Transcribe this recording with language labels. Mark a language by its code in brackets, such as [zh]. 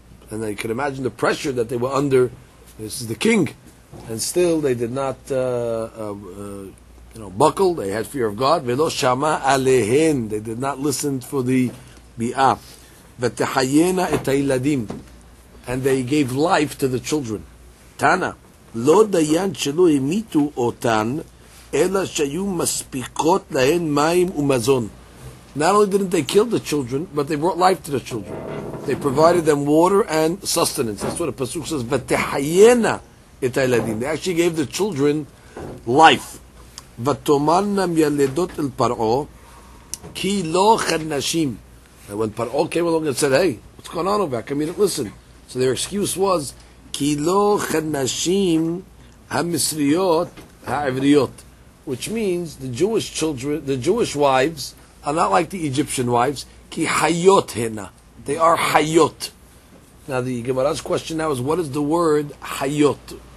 [en] And they could imagine the pressure that they were under. This is the king, and still they did not buckle. They had fear of God. [he] Ve'lo shama alehin. [en] They did not listen for the bi'ah. [he] Ve'tehayena et ha'iladim, [en] and they gave life to the children. [he] Tana. לא דיין שלא המיתו אותן, אלא שהיו מספיקות להן מים ומזון. [en] Not only didn't they kill the children, but they brought life to the children. They provided them water and sustenance. That's what the Pasuk says. [he] ותחיינה את הילדים. [en] They actually gave the children life. [he] ותאמרנה מילדות אל פרעה, כי לא חנשים. [en] And when פרעה came along and said, hey, what's going on over here? Come here and listen. So their excuse was, which means the Jewish children, the Jewish wives, are not like the Egyptian wives. They are hayot. Now the Gemara's question now is, what is the word hayot?